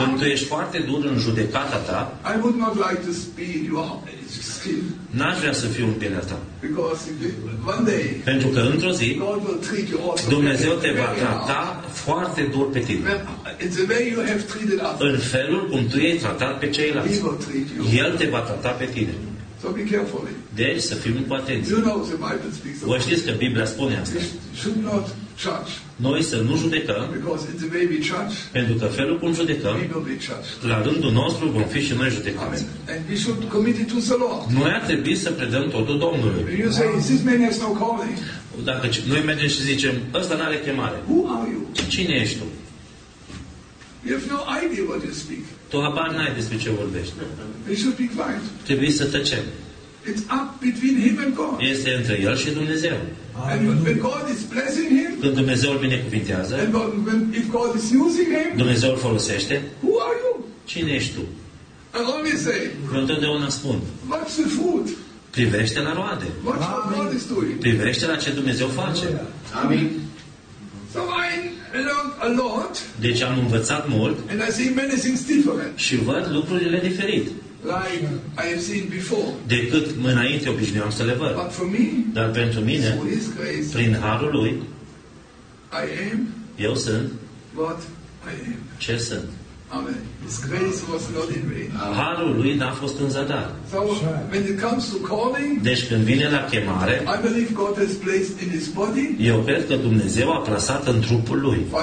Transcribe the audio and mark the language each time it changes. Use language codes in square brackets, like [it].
[ro] când tu ești foarte dur în judecata ta, [en] I would not like to be in your skin. [ro] N-aș vrea să fiu în pielea ta. [en] Because one day, [ro] pentru că într-o zi, [en] God will treat you also [ro] Dumnezeu te va trata foarte dur pe tine. [en] In the way you have treated others, [ro] în felul cum tu i-ai tratat pe ceilalți, [en] He will treat you. [ro] El te va trata pe tine. [en] So be careful. [ro] Deci să fim cu atenție. [en] You know, the Bible speaks of [ro] Vă știți că Biblia spune asta. [en] Should not judge. [ro] Noi să nu judecăm, [en] because in the way we judge, [ro] pentru că felul cum judecăm, [en] we will be judged. [ro] La rândul nostru vom fi și noi judecați. [en] And we should commit it to the Lord. [ro] Noi ar trebui să predăm totul Domnului. [en] You say, this man has no calling. [ro] Dacă noi mergem și zicem, ăsta n-are chemare. [en] Who are you? [ro] Cine ești tu? [en] You have no idea what you speak. [ro] Tu habar n-ai despre ce vorbești. [en] We should be quiet. [ro] Trebuie să tăcem. [en] It's up between him and God. [ro] Este între el și Dumnezeu. [en] When God is blessing him, [ro] când Dumnezeu îl binecuvintează, [en] and when, if God is using him, [ro] Dumnezeu îl folosește, [en] who are you? [ro] Cine ești tu? [en] And let me say, [ro] întotdeauna spun, [en] what's the fruit? [ro] Privește la roade. [en] What's what God is doing? [ro] Privește la ce Dumnezeu face. [en] Amin. So I learned a lot. [ro] Deci am învățat mult. [en] And I see many things different. [ro] Și văd lucrurile diferit. [en] Like I have seen before. [ro] De cât înainte obișnuiam să le văd. [en] But for me, [ro] dar pentru mine, [en] grace, [ro] prin harul lui, [en] I am. [ro] Eu sunt. [en] What I am. [ro] Ce sunt? Amen. [en] His grace was not in vain. [ro] Harul lui n-a fost în zadar. [en] So when it comes to calling, [ro] deci când vine la chemare, [en] I believe God has placed in his body. [ro] Eu cred că Dumnezeu a plasat în trupul lui.